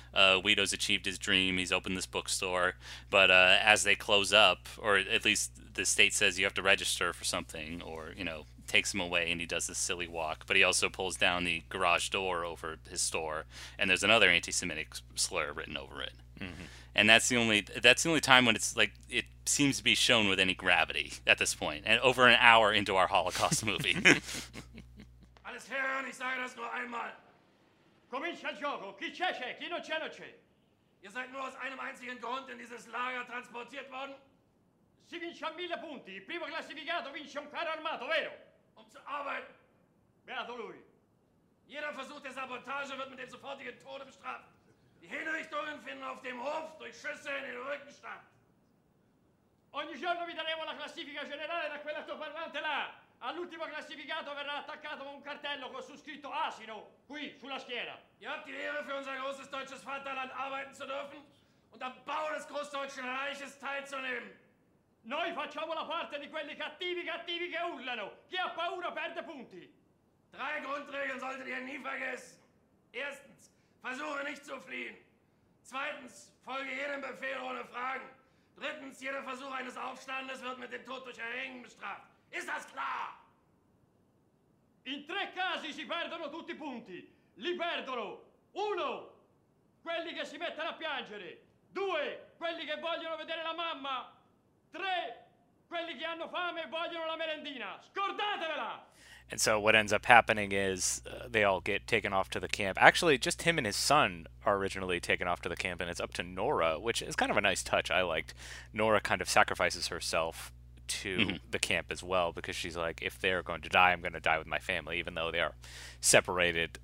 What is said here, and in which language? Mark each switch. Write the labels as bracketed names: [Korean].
[English] Guido's achieved his dream. He's opened this bookstore. But as they close up, or at least the state says you have to register for something, or, you know, takes him away, and he does this silly walk. But he also pulls down the garage door over his store, and there's another anti-Semitic slur written over it. Mm-hmm. And that's the only time when it's like it seems to be shown with any gravity at this point. And over an hour into our Holocaust movie. [German] Alles hören, ich sage das nur einmal. [Italian] Comincia il gioco, chi c'è c'è, chi non c'è non c'è. [German] Ihr seid nur aus einem einzigen Grund in dieses Lager transportiert worden. [Italian] Si vince a 1000 punti, il primo classificato vince un carro armato, vero? [German] Zu arbeiten. [Italian] Beato lui. [German] Jeder Versuch der Sabotage wird mit dem sofortigen Tode bestraft. Die Hinrichtungen finden auf dem Hof durch Schüsse in den Rücken statt. [Italian] Ogni giorno vi daremo la classifica generale da quell'altoparlante là. All'ultimo classificato verrà attaccato con un cartello con su scritto asino qui sulla schiena. [German] Ihr habt die Ehre für unser großes deutsches Vaterland arbeiten zu dürfen und am Bau des Großdeutschen Reiches teilzunehmen. [Italian] Noi facciamo la parte di quelli cattivi che urlano. Chi ha paura perde punti. [German] Drei Grundregeln solltet ihr nie vergessen. Erstens, versuche nicht zu fliehen. Zweitens, folge jedem Befehl ohne Fragen. Drittens, jeder Versuch eines Aufstandes wird mit dem Tod durch Erhängen bestraft. Ist das klar? [Italian] In tre casi si perdono tutti i punti. Li perdono. Uno, quelli che si mettono a piangere. Due, quelli che vogliono vedere la mamma. Tre, quelli che hanno fame e vogliono la merendina. Scordatevela! [English] And so what ends up happening is they all get taken off to the camp. Actually, just him and his son are originally taken off to the camp, and it's up to Nora, which is kind of a nice touch I liked. Nora kind of sacrifices herself to the camp as well, because she's like, if they're going to die, I'm going to die with my family, even though they are separated.